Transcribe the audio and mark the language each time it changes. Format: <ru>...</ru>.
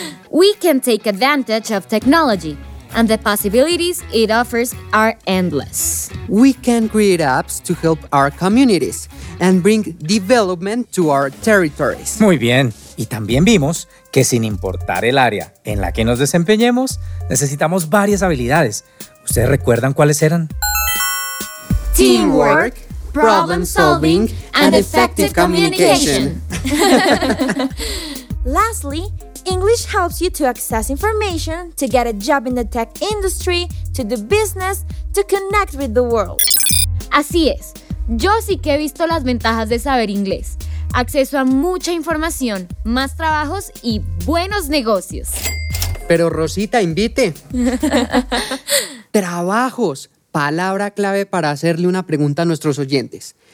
<en>We can take advantage of technology, and the possibilities it offers are endless. We can create apps to help our communities and bring development to our territories.</en> <es>Muy bien. Y también vimos que sin importar el área en la que nos desempeñemos, necesitamos varias habilidades. ¿Ustedes recuerdan cuáles eran?</es> <en>Teamwork, problem solving, and effective communication. Lastly, English helps you to access information, to get a job in the tech industry, to do business, to connect with the world.</en> <es>Así es. Yo sí que he visto las ventajas de saber inglés. Acceso a mucha información, más trabajos y buenos negocios. Pero Rosita, invite. Trabajos, palabra clave para hacerle una pregunta a nuestros oyentes.</es>